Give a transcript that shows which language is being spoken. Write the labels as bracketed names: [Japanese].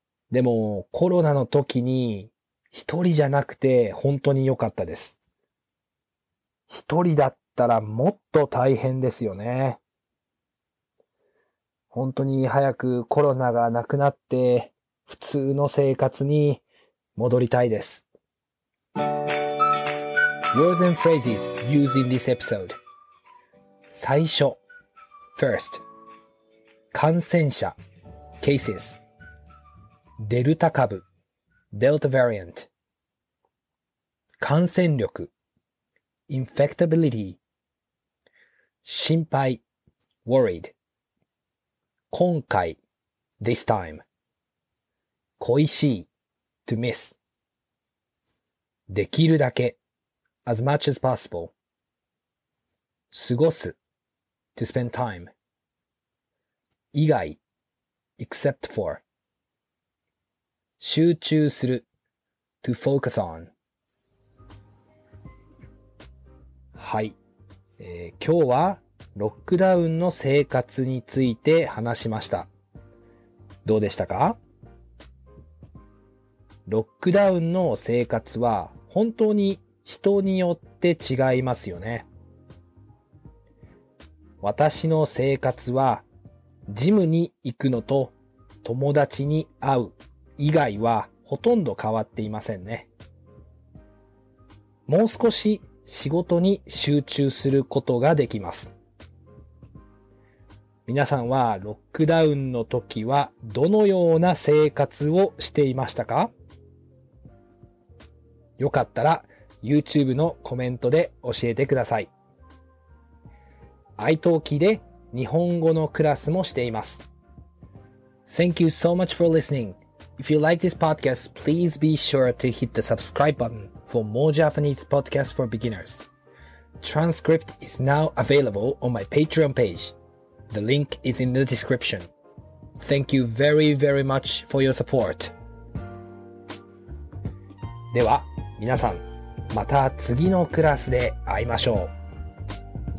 [Japanese] でもコロナの時に一人じゃなくて本当に良かったです。一人だったらもっと大変ですよね。本当に早くコロナがなくなって普通の生活に戻りたいです。 [English] Words and phrases used in this episode. 最初 First 感染者 Cases デルタ株 Delta variant感染力 infectability 心配 worried。今回 this time。 恋しい to miss。できるだけ as much as possible。 過ごす to spend time。以外 except for。 集中する to focus on。 [Japanese] はい、今日はロックダウンの生活について話しました。どうでしたか？ロックダウンの生活は本当に人によって違いますよね。私の生活はジムに行くのと友達に会う以外はほとんど変わっていませんね。もう少し仕事に集中することができます。皆さんはロックダウンの時はどのような生活をしていましたか？よかったら YouTube のコメントで教えてください。 iTalkiで日本語のクラスもしています。 [English] Thank you so much for listening. If you like this podcast, please be sure to hit the subscribe button for more Japanese podcasts for beginners. Transcript is now available on my Patreon page. The link is in the description. Thank you very, very much for your support. [Japanese] では、皆さん、また次のクラスで会いましょう。